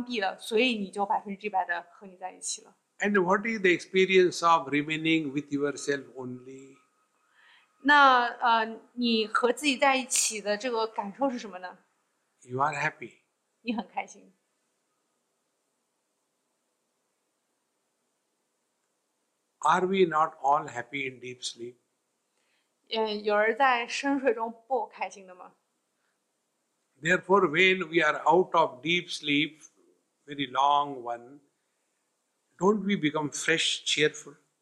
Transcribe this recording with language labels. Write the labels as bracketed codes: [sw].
[zh] 这个时候就是你行动的这些，还有你的感官，还有你的思想、头脑都关闭了，所以你就100%的和你在一起了。 [en] And what is the experience of remaining with yourself only? [zh] 那你和自己在一起的这个感受是什么呢？ [en] You are happy. [zh] 你很开心。 [en] Are we not all happy in deep sleep? [zh] 有人在深睡中不开心的吗？ [en] Therefore, when we are out of deep sleep, very long one, don't we become fresh, cheerful?